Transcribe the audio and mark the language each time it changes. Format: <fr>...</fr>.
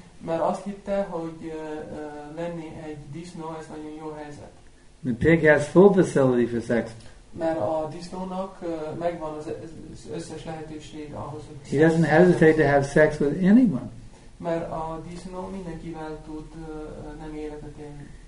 <hu>Mert azt hitte, hogy lenni egy disznó, ez nagyon jó helyzet.</hu> <en>The pig has full facility for sex.</en> <hu>Mert a disznónak megvan az összes lehetőség ahhoz, hogy</hu> <en>he doesn't hesitate to have sex with anyone.</en> <hu>Mert a disznó mindenkivel tud nem életet élni.</hu>